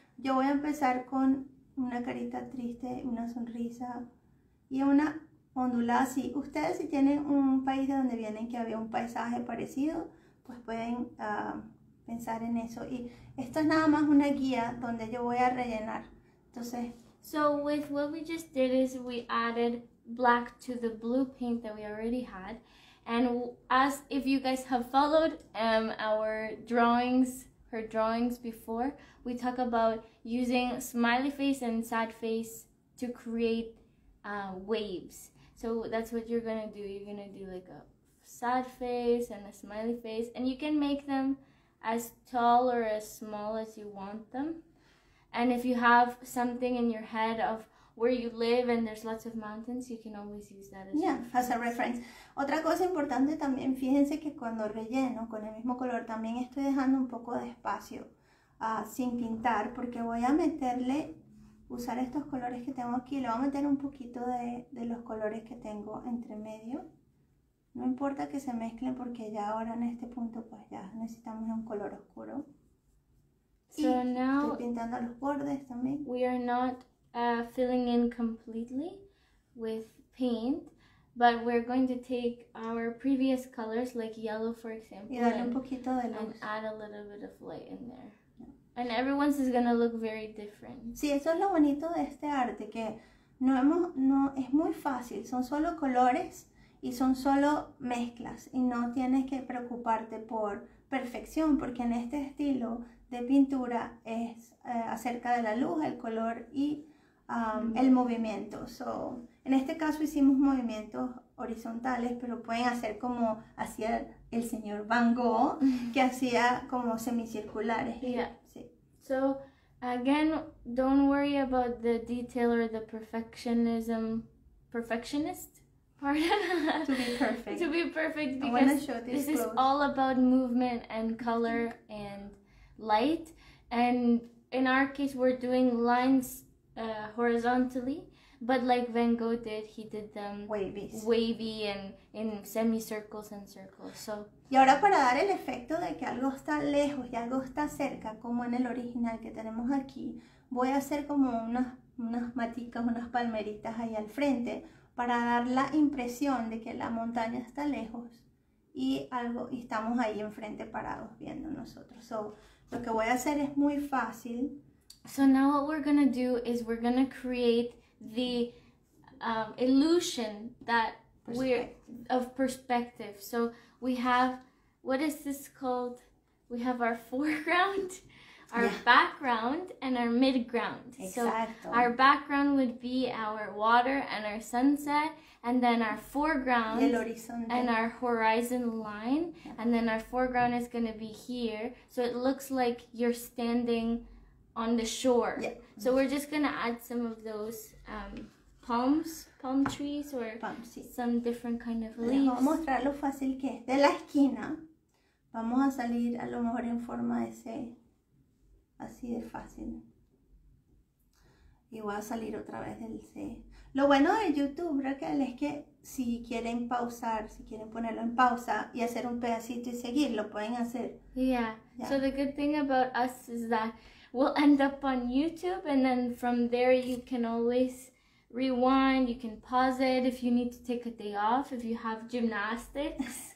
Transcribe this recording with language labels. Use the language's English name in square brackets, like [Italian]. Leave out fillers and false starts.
[Spanish] Yo voy a empezar con una carita triste, una sonrisa y una ondulada así. Ustedes si tienen un país de donde vienen que había un paisaje parecido, pues pueden pensar en eso. Y esto es nada más una guía donde yo voy a rellenar. Entonces, [English] so with what we just did is we added black to the blue paint that we already had. And as if you guys have followed our drawings, her drawings before, we talk about using smiley face and sad face to create waves. So that's what you're gonna do. You're gonna do like a sad face and a smiley face, and you can make them as tall or as small as you want them. And if you have something in your head of where you live and there's lots of mountains, you can always use that as, yeah, as a reference. [Spanish] Otra cosa importante también, fíjense que cuando relleno con el mismo color, también estoy dejando un poco de espacio sin pintar, porque voy a meterle, usar estos colores que tengo aquí, le voy a meter un poquito de los colores que tengo entre medio. No importa que se mezclen porque ya ahora en este punto pues ya necesitamos un color oscuro. [English] So [Spanish] y [English] now [Spanish] estoy pintando los bordes también. [English] We are not filling in completely with paint, but we're going to take our previous colors like yellow for example, [Spanish] y darle un poquito de luz. [English] And add a little bit of light in there. Yeah. And everyone's is going to look very different. [Spanish] Sí, eso es lo bonito de este arte, que es muy fácil, son solo colores y son solo mezclas y no tienes que preocuparte por perfección, porque en este estilo de pintura es acerca de la luz, el color y el movimiento. So, en este caso hicimos movimientos horizontales, pero pueden hacer como hacía el señor Van Gogh, que hacía como semicirculares. [English] Yeah. [Spanish] Sí. [English] So Again, don't worry about the detail or the perfectionist part. To be perfect. To be perfect, because I wanna show this is all about movement and color and light. And in our case, we're doing lines horizontally, but like Van Gogh did, he did them wavy and in semicircles and circles. So. [Spanish] Y ahora, para dar el efecto de que algo está lejos y algo está cerca, como en el original que tenemos aquí, voy a hacer como unas maticas, unas palmeritas ahí al frente, para dar la impresión de que la montaña está lejos y algo, y estamos ahí enfrente parados viendo nosotros. So, lo que voy a hacer es muy fácil. [English] So now what we're gonna do is we're gonna create the illusion that we're of perspective. So we have, what is this called? We have our foreground, our background, and our midground. [Spanish] Exacto. [English] So our background would be our water and our sunset, and then our foreground and our horizon line, and then our foreground is gonna be here. So it looks like you're standing on the shore. Yeah. So we're just gonna add some of those palm trees or palms, sí. Some different kind of leaves. [Spanish] Vamos a mostrar lo fácil que es. De la esquina, vamos a salir a lo mejor en forma de C, así de fácil. Y voy a salir otra vez del C. Lo bueno de YouTube, Raquel, es que si quieren pausar, si quieren ponerlo en pausa y hacer un pedacito y seguir, lo pueden hacer. [English] Yeah. So the good thing about us is that we'll end up on YouTube, and then from there you can always rewind, you can pause it if you need to take a day off, if you have gymnastics.